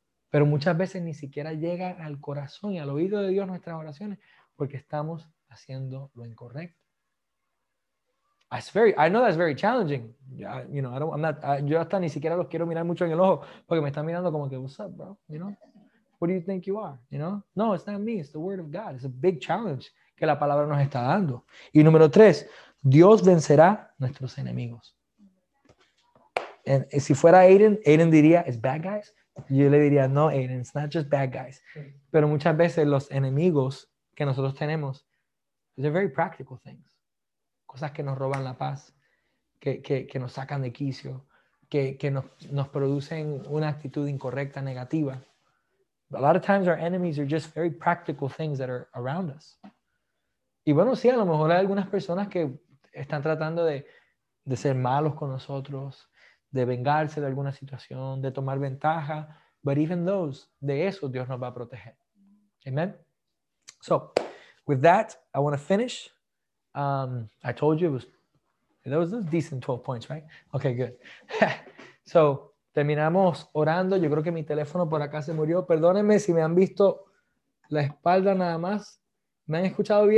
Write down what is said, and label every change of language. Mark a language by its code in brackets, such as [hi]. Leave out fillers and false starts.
[es] Pero muchas veces ni siquiera llega al corazón y al oído de Dios nuestras oraciones porque estamos haciendo lo incorrecto. I know that's very challenging. Yo hasta ni siquiera los quiero mirar mucho en el ojo porque me están mirando como que, what's up, bro? [en] You know? What do you think you are? You know? No, it's not me. It's the word of God. [es] It's a big challenge que la palabra nos está dando. Y número tres, Dios vencerá nuestros enemigos. And si fuera Aiden, Aiden diría, it's bad guys. Yo le diría, no, Aiden, it's not just bad guys. Pero muchas veces los enemigos que nosotros tenemos, they're very practical things. Cosas que nos roban la paz, que nos sacan de quicio, que nos producen una actitud incorrecta, negativa. [en] A lot of times our enemies are just very practical things that are around us. [es] Y bueno, sí, a lo mejor hay algunas personas que están tratando de ser malos con nosotros, de vengarse de alguna situación, de tomar ventaja. But even those, de eso Dios nos va a proteger. Amen. [en] So, with that, I want to finish. I told you it was decent 12 points, right? Okay, good. So, terminamos orando. [es] Yo creo que mi teléfono por acá se murió. Perdónenme si me han visto la espalda nada más. ¿Me han escuchado bien?